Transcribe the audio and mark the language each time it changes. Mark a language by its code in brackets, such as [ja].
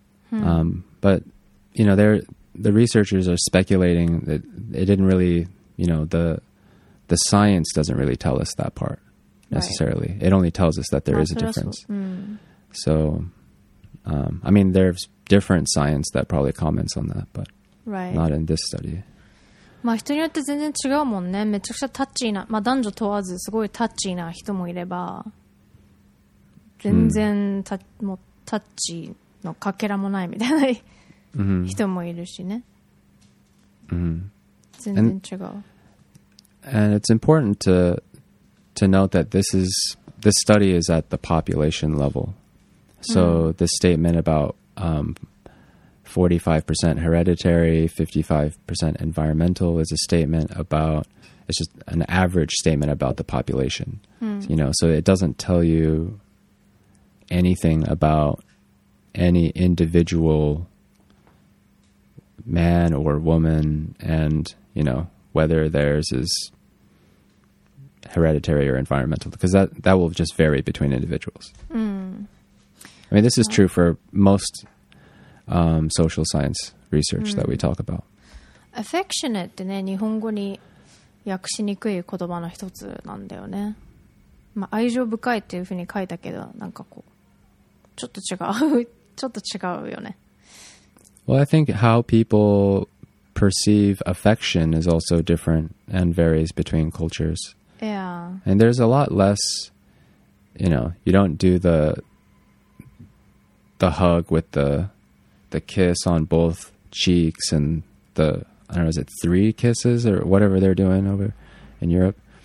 [en] But, you know, the researchers are speculating that it didn't really, you know, the science doesn't really tell us that part necessarily. Right. It only tells us that there is a difference. So, I mean, there's different science that probably comments on that, but not in this study. [ja] まあ人によって全然違うもんね。めちゃくちゃタッチーな、まあ男女問わずすごいタッチーな人もいれば、全然タッ、もうタッチーのかけらもないみたいな人もいるしね。全然違う。 [en] And it's important to note that this study is at the population level. So this statement about 45% hereditary, 55% environmental is a statement about, it's just an average statement about the population, you know, so it doesn't tell you anything about any individual man or woman and, you know, whether theirs is hereditary or environmental, because that will just vary between individuals. I mean, this is true for most social science research that we talk about. [ja] Affectionate ってね、日本語に訳しにくい言葉の一つなんだよね。まあ、愛情深いっていうふうに書いたけど、なんかこう、ちょっと違う、ちょっと違うよね。 [en] Well, I think how people perceive affection is also different and varies between cultures. Yeah. And there's a lot less, you know, you don't do the hug with the kiss on both cheeks and the, I don't know, is it three kisses or whatever they're doing over in Europe?